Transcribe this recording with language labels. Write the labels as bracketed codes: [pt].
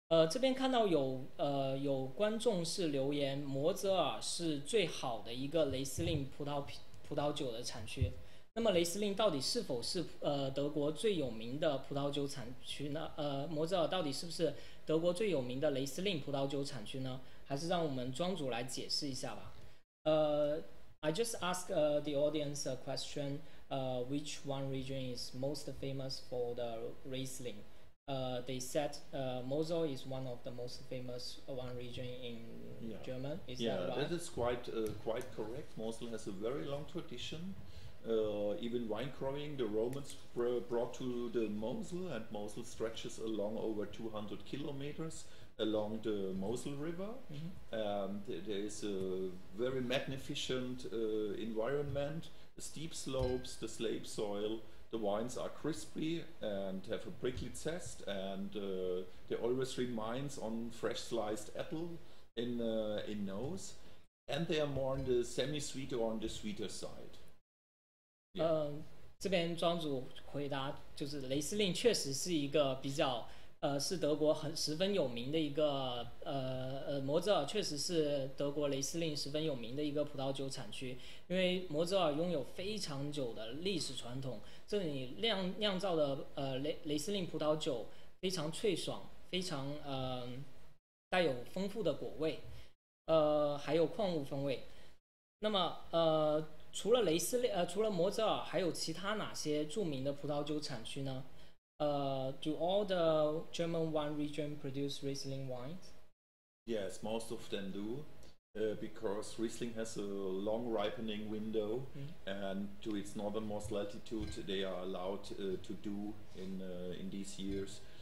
[zh] 这边看到有观众是留言，摩泽尔是最好的一个雷司令葡萄酒的产区。那么雷司令到底是否是德国最有名的葡萄酒产区呢？摩泽尔到底是不是德国最有名的雷司令葡萄酒产区呢？还是让我们庄主来解释一下吧。 [en] I just ask the audience a question. Which one region is most famous for the Riesling? They said Mosel is one of the most famous wine region in Yeah, German. Is that that right? is quite correct. Mosel has a very long tradition. Even wine growing, the Romans brought to the Mosel, and Mosel stretches along over 200 kilometers along the Mosel River. Mm-hmm. And there is a very magnificent environment, steep slopes, the slate soil. The wines are crispy and have a prickly zest, and they always remind on fresh sliced apple in nose, and they are more on the semi-sweet or on the sweeter side. [zh] 这边庄主回答，就是雷司令确实是一个比较，是德国很十分有名的一个，摩泽尔确实是德国雷司令十分有名的一个葡萄酒产区，因为摩泽尔拥有非常久的历史传统，这里酿造的雷司令葡萄酒非常脆爽，非常带有丰富的果味，还有矿物风味。那么除了雷斯利除了摩泽尔还有其他哪些著名的葡萄酒产区呢？ [en] Do all the German wine region produce Riesling wines? Yes, most of them do, because Riesling has a long ripening window, mm-hmm. and to its northernmost latitude they are allowed to do in these years.